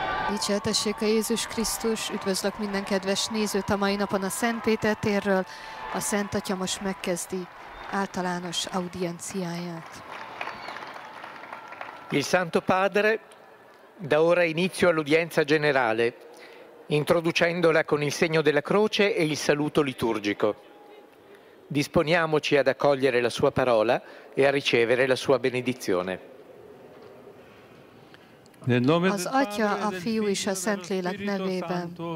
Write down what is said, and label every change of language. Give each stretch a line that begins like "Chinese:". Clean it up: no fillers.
Hungarian: Dicsértessék a Jézus Krisztus, üdvözlök minden kedves nézőt a mai napon a Szent Péter térről. A Szent Atya most megkezdi általános audienciáját.
Italian: Il Santo Padre da ora inizio all'udienza generale, introducendola con il segno della croce e il saluto liturgico. Disponiamoci ad accogliere la sua parola e a ricevere la sua benedizione.
Hungarian: Az Atya, a Fiú és a Szentlélek nevében.